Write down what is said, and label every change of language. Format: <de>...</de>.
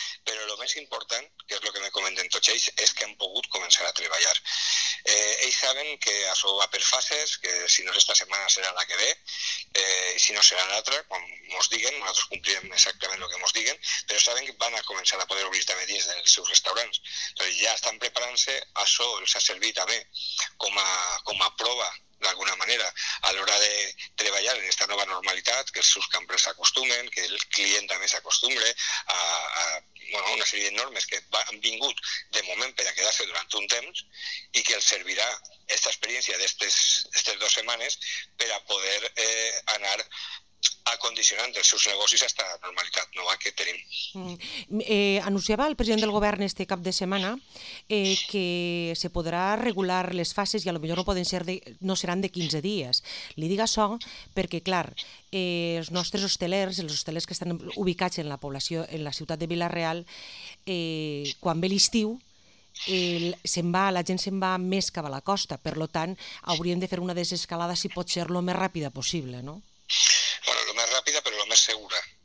<es>Pero lo más importante, que es lo que me comenten Tocheis, es que han podido comenzar a trabajar. Ellos saben que eso va per fases, que si no es esta semana será la que ve, y si no será la otra, como nos digan, nosotros cumplimos exactamente lo que nos digan, pero saben que van a comenzar a poder abrir también desde sus restaurantes. Entonces ya están preparándose, eso les ha servido también</es> <ca>com a prova, d'alguna manera, a l'hora de treballar en aquesta nova normalitat, que els seus cambrers s'acostumen, que el client també s'acostumbre a una sèrie de normes que han vingut de moment per a quedar-se durant un temps i que els servirà aquesta experiència d'aquestes dues setmanes per a poder anar acondicionant els seus negocis a aquesta normalitat nova que tenim. Anunciava el president del govern este cap de setmana que se podrà regular les fases i a lo millor no seran de 15 dies. Li diga això perquè, clar, els nostres hostelers, els hostelers que estan ubicats en la població, en la ciutat de Vila-real, quan ve l'estiu, la gent se'n va més cap a la costa. Per lo tant, hauríem de fer una desescalada, si pot ser, lo més ràpida possible, no?</ca> <es>Bueno, lo más rápida, pero lo más segura.</es>